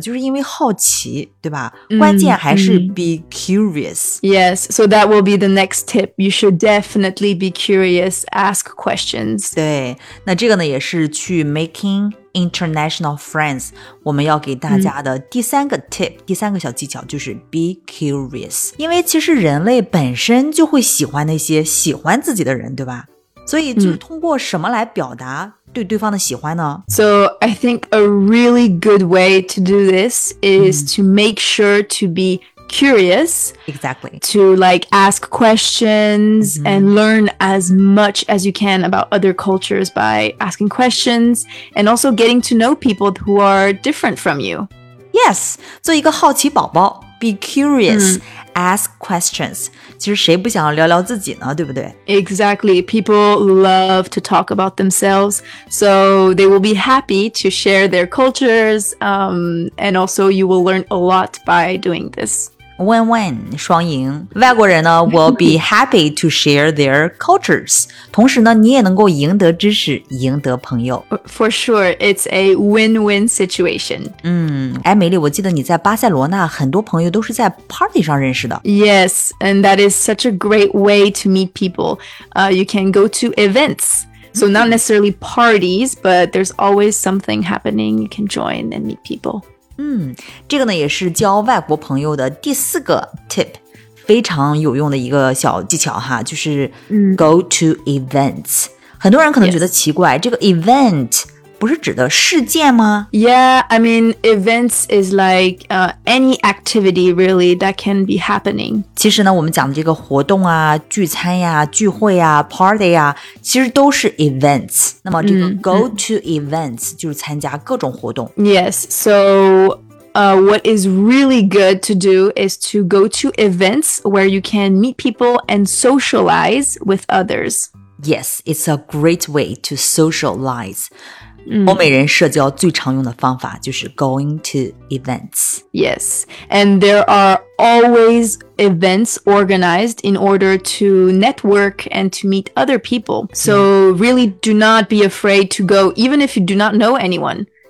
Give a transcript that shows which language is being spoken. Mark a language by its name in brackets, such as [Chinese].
[Chinese] 就是因为好奇，对吧？关键还是 [English] be curious. Mm-hmm. Yes, so that will be the next tip. You should definitely be curious, ask questions. [Chinese] 对，那这个呢，也是去 [English] makinginternational friends, [Chinese] 我们要给大家的第三个 tip,、mm. 第三个小技巧就是 [English] be curious. [Chinese] 因为其实人类本身就会喜欢那些喜欢自己的人，对吧？所以就是通过什么来表达对对方的喜欢呢？ [English] So I think a really good way to do this is、mm. to make sure to be curious. Exactly. To like ask questions、mm. and learn as much as you can about other cultures by asking questions and also getting to know people who are different from you. Yes. [Chinese] 做一个好奇宝宝 [English] be curious.、 [Chinese] Mm. [English] Ask questions. [Chinese] 其实谁不想聊聊自己呢，对不对？ [English] Exactly. People love to talk about themselves. So they will be happy to share their cultures. And also you will learn a lot by doing this. Win-win, [Chinese] 双赢。外国人呢 [English] will be happy to share their cultures. [Chinese] 同时呢你也能够赢得知识，赢得朋友。 [English] For sure. It's a win-win situation. [Chinese] 哎，美丽，我记得你在巴塞罗那很多朋友都是在 party 上认识的。 [English] Yes, and that is such a great way to meet people. You can go to events. So not necessarily parties, but there's always something happening. You can join and meet people. [Chinese] 这个呢也是交外国朋友的第四个 tip, 非常有用的一个小技巧哈，就是 [English] go to events. [Chinese] 很多人可能觉得奇怪、 [English] yes. [Chinese] 这个 event... 不是指的事件吗？ [English] Yeah, I mean, events is like、any activity really that can be happening. [Chinese] 其实呢我们讲的这个活动啊，聚餐呀、啊、聚会啊、party 啊，其实都是 events. 那么这个 [English] go to events、 [Chinese] mm-hmm. 就是参加各种活动。 [English] Yes, so... what is really good to do is to go to events where you can meet people and socialize with others. Yes, it's a great way to socialize. [Chinese] 欧美人社交最常用的方法就是 [English] going to events. Yes, and there are always events organized in order to network and to meet other people. So really do not be afraid to go, even if you do not know anyone.